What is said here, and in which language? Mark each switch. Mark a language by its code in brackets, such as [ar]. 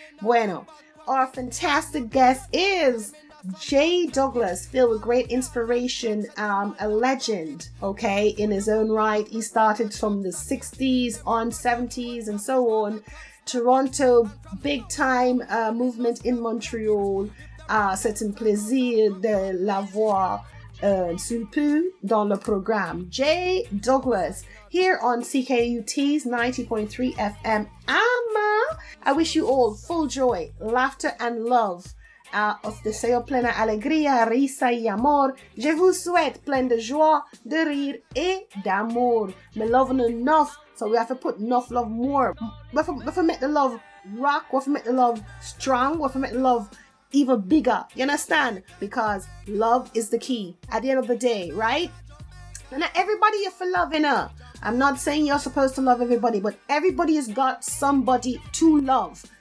[en] Bueno, our fantastic guest is Jay Douglas, filled with great inspiration, a legend, okay, in his own right. He started from the 60s on, 70s and so on. Toronto, big time movement in Montreal. [fr] C'est un plaisir de l'avoir sur peu dans le programme. [en] Jay Douglas, here on CKUT's 90.3 FM. I wish you all full joy, laughter and love. [es] Os deseo plena alegría, risa y amor. [fr] Je vous souhaite plein de joie, de rire et d'amour. [en] Me loving enough, so we have to put enough love more. We have to make the love rock, we have to make the love strong, we have to make the love even bigger. You understand? Because love is the key at the end of the day, right? And everybody you for loving her. I'm not saying you're supposed to love everybody, but everybody has got somebody to love.